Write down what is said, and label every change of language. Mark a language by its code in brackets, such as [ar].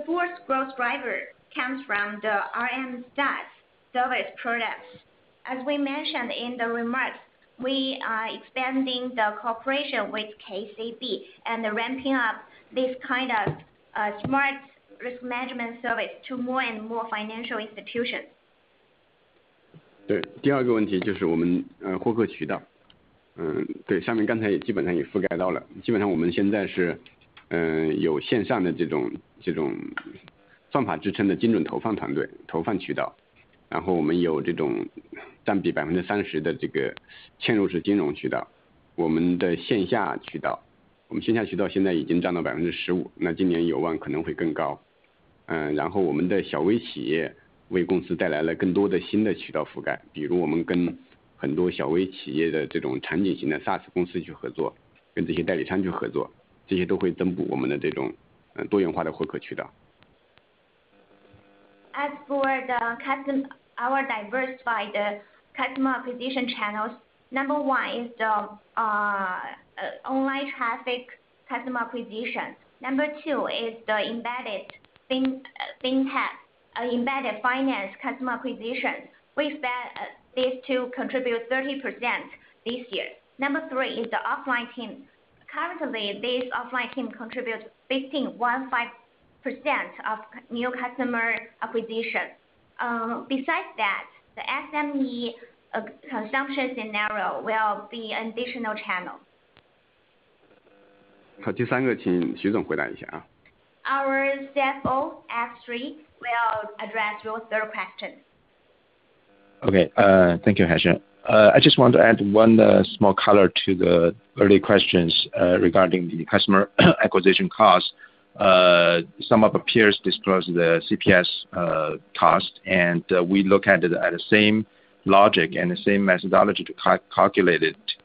[en] fourth growth driver comes from the RM stats. Service products. As we mentioned in the remarks, we are expanding the cooperation with KCB and ramping up this kind of smart risk management service to more and more financial institutions. [zh] 对，第二个问题就是我们获客渠道。对，上面刚才也基本上也覆盖到了。基本上我们现在是有线上的这种算法支撑的精准投放团队，投放渠道。然后我们有这种占比30%的这个嵌入式金融渠道，我们的线下渠道，我们线下渠道现在已经占到15%，那今年有望可能会更高。然后我们的小微企业为公司带来了更多的新的渠道覆盖，比如我们跟很多小微企业的这种场景型的 SaaS 公司去合作，跟这些代理商去合作，这些都会增补我们的这种多元化的获客渠道。 [en] As for the our diversified customer acquisition channels, number one is the online traffic customer acquisition. Number two is the embedded embedded finance customer acquisition. We expect these to contribute 30% this year. Number three is the offline team. Currently, this offline team contributes 15.15% of new customer acquisition. Besides that, the SME consumption scenario will be an additional channel. [zh] 好，第三个，请徐总回答一下啊。 [en] Our CFO, F3, will address your third question. Okay, thank you, Haisheng. I just want to add one small color to the early questions regarding the customer acquisition cost. Some of our peers disclose the CPS cost, and we look at it at the same logic and the same methodology to calculate it.